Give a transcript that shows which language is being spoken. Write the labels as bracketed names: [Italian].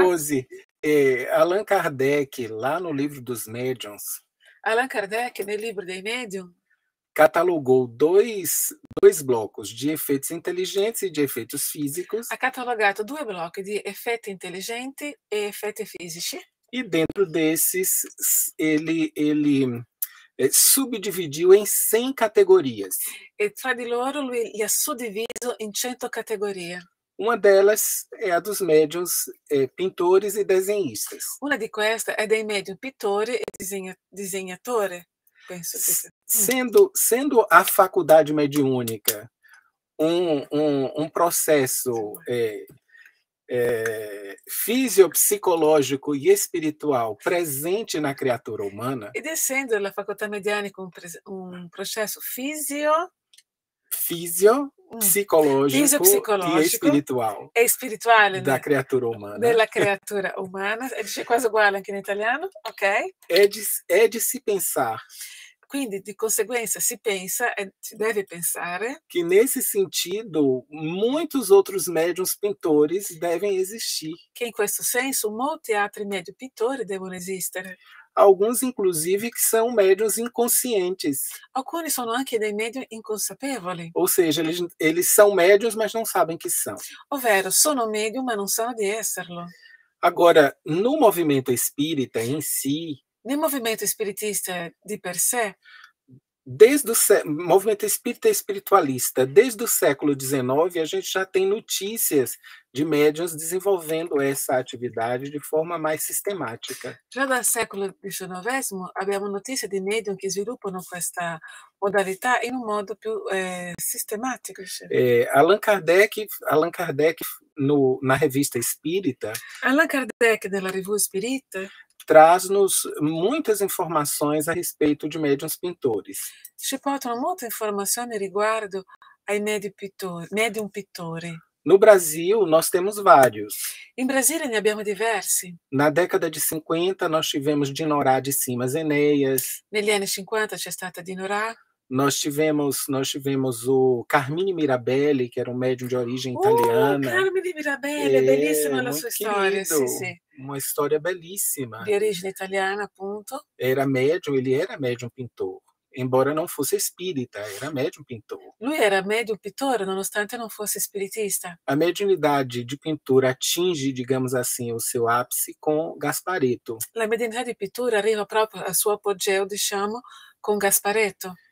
[Portuguese] Rose, Allan Kardec, lá no livro dos Médiuns, Allan Kardec, no livro [Italian] dei médium. [Portuguese] catalogou dois blocos de efeitos inteligentes e de efeitos físicos. [Italian] Ha catalogato due blocchi di effetti intelligenti e effetti fisici. [Portuguese] E dentro desses, ele subdividiu em 100 categorias. [Italian] E tra di loro lui li ha suddiviso in 100 categorie. [Portuguese] Uma delas é a dos médiuns, pintores e desenhistas. [Italian] Una di queste è dei medium pittore e disegnatore, penso che sia. [Portuguese] Sendo a faculdade mediúnica um processo fisiopsicológico e espiritual presente na criatura humana, [Italian] Descendo la facoltà mediana con un processo fisio. [Portuguese] psicológico e fisiopsicológico espiritual [Italian] e spirituale da creatura umana. Della creatura umana. E dice quasi uguale anche in italiano, ok? È di si pensar. Quindi, di conseguenza, si pensa e si deve pensare. [Portuguese] Que nesse sentido, muitos outros médiuns pintores devem existir. [Italian] Che in questo senso molti altri medi pittori devono esistere. [Portuguese] Alguns, inclusive, que são médiuns inconscientes. [Italian] Alcuni sono anche dei medium inconsapevoli. [Portuguese] Ou seja, eles são médiuns, mas não sabem que são. [Italian] Ovvero, sono medium, ma non sanno di esserlo. [Portuguese] Agora, no movimento espírita em si, [Italian] Nel movimento spiritista di per sé. [Portuguese] movimento espírita e espiritualista, desde o século XIX, a gente já tem notícias de médiuns desenvolvendo essa atividade de forma mais sistemática. [Italian] Già dal secolo XIX abbiamo notizie di medium che sviluppano questa modalità in un modo più sistematico. [Portuguese] Allan Kardec na revista Espírita [Italian] Allan Kardec, nella Revue Spirite, [Portuguese] traz-nos muitas informações a respeito de médiuns pintores. [Italian] ci portano molte informazioni riguardo ai medium pittori. [Portuguese] No Brasil, nós temos vários. [Italian] In Brasile ne abbiamo diversi. [Portuguese] Na década de 50, nós tivemos Dinorá de Simas Enéas. [Italian] Negli anni 50 c'è stata Dinorah. [Portuguese] Nós tivemos o Carmine Mirabelli, que era um médium de origem italiana. [Italian] Carmine Mirabelli, [Portuguese] É [Italian] bellissima la [Portuguese] muito [Italian] sua storia, [Portuguese] querido, [Italian] sì. [Portuguese] uma história belíssima. [Italian] Di origine italiana, appunto. [Portuguese] Era médium, ele era médium pintor, embora não fosse espírita, era médium pintor. [Italian] Lui era medio pittore, nonostante non fosse spiritista. [Portuguese] A mediunidade de pintura atinge, digamos assim, o seu ápice com Gasparetto. [Italian] La mediunità di pittura arriva proprio al suo apogeo, diciamo, con Gasparetto.